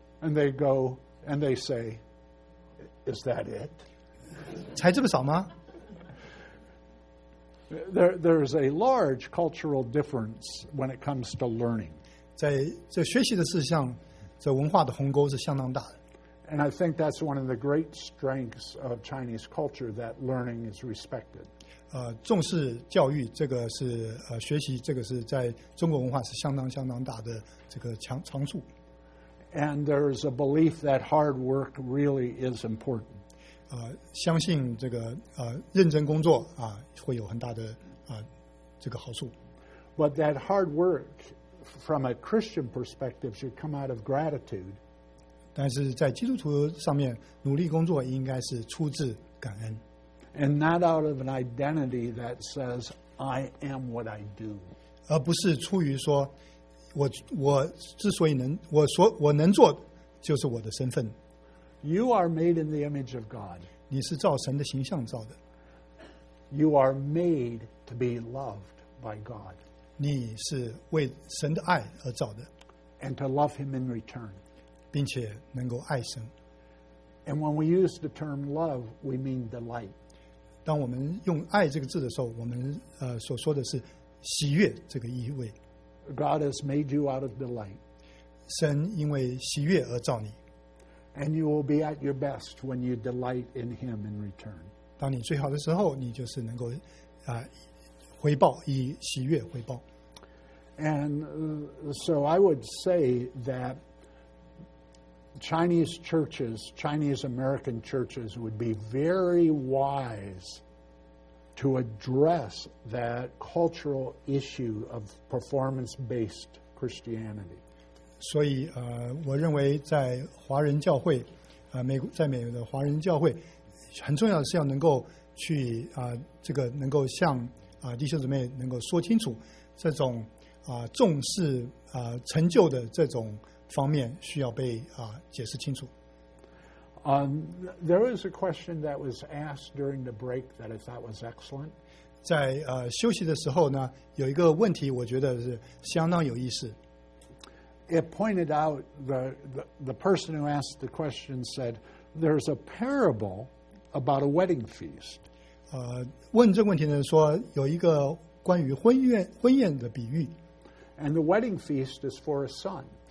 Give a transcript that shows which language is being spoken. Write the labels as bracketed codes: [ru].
[en] And they go, and they say, is that it? [zh] 才这么少吗？ [en] There's a large cultural difference when it comes to learning. [zh] 在这学习的事项，这文化的鸿沟是相当大的。 [en] And I think that's one of the great strengths of Chinese culture, that learning is respected. [zh] 重视教育，这个是学习，这个是在中国文化是相当相当大的这个长处。 [en] And there's a belief that hard work really is important. [zh] 相信这个认真工作会有很大的这个好处。 [en] But that hard work, from a Christian perspective, should come out of gratitude. [zh] 但是在基督徒上面，努力工作应该是出自感恩。 [en] And not out of an identity that says I am what I do. [zh] 而不是出于说我之所以能我能做就是我的身份。 [en] You are made in the image of God. [zh] 你是照神的形象造的。 [en] You are made to be loved by God. [zh] 你是为神的爱而造的。 [en] And to love him in return. [zh] 并且能够爱神。 [en] And when we use the term love, we mean delight. [zh] 当我们用爱这个字的时候，我们所说的是喜悦这个意味。 [en] God has made you out of delight. [zh] 神因为喜悦而造你。 [en] And you will be at your best when you delight in him in return. [zh] 当你最好的时候，你就是能够回报，以喜悦回报。 [en] And so I would say that Chinese churches, Chinese American churches would be very wise to address that cultural issue of performance-based Christianity. [zh] 所以我认为在华人教会在美国的华人教会很重要的是要能够去这个能够向弟兄姊妹能够说清楚这种重视成就的这种方面需要被解释清楚。 [en] There is a question that was asked during the break that I thought was excellent. [zh] 在休息的时候呢，有一个问题我觉得是相当有意思。 [en] It pointed out the person who asked the question said, "There's a parable about a wedding feast." [zh] 问这个问题的人说有一个关于婚宴的比喻。 [en] And the wedding feast is for a son.